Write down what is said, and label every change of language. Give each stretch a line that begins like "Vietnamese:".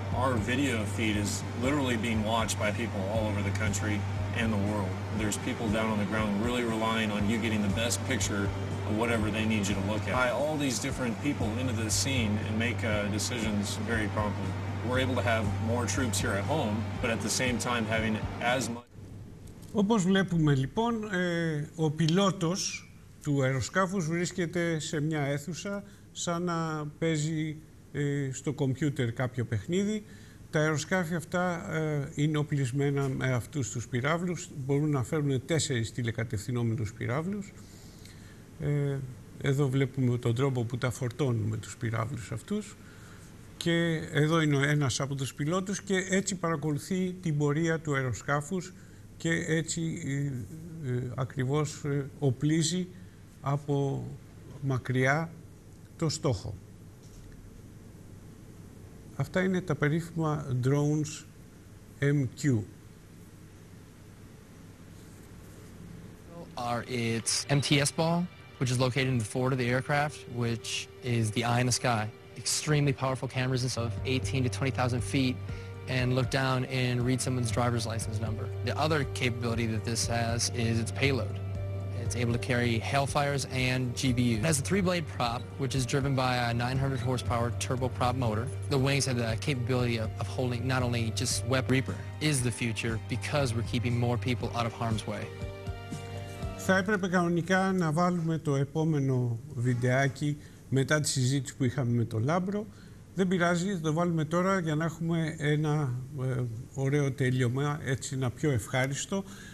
English: Our video feed is literally being watched by people all over the country and the world. There's people down on the ground really relying on you getting the best picture whatever they need you to look at. Tie all these different people into the scene and make decisions very promptly. We're able to have more troops here at home, but at the same time having as much.
Greek: Όπως βλέπουμε λοιπόν, ο πιλότος του αεροσκάφους βρίσκεται σε μια αίθουσα σαν να παίζει στο κομπιούτερ κάποιο παιχνίδι. Τα αεροσκάφη αυτά είναι οπλισμένα με αυτούς τους πυράβλους. Μπορούν να φέρουν 4 τηλεκατευθυνόμενους πυράβλους. Εδώ βλέπουμε τον τρόπο που τα φορτώνουμε τους πυράβλους αυτούς. Και εδώ είναι ένας από τους πιλότους και έτσι παρακολουθεί την πορεία του αεροσκάφους και έτσι ακριβώς οπλίζει από μακριά το στόχο. Αυτά είναι τα περίφημα drones MQ.
English: It's MTS ball, which is located in the forward of the aircraft, which is the eye in the sky. Extremely powerful cameras of 18 to 20,000 feet and look down and read someone's driver's license number. The other capability that this has is its payload. It's able to carry Hellfires and GBUs. It has a three-blade prop, which is driven by a 900 horsepower turboprop motor. The wings have the capability of holding not only just weapons. Reaper is the future because we're keeping more people out of harm's way.
Greek: Θα έπρεπε κανονικά να βάλουμε το επόμενο βιντεάκι μετά τη συζήτηση που είχαμε με τον Λάμπρο. Δεν πειράζει, θα το βάλουμε τώρα για να έχουμε ένα ωραίο τέλειωμα, έτσι ένα πιο ευχάριστο.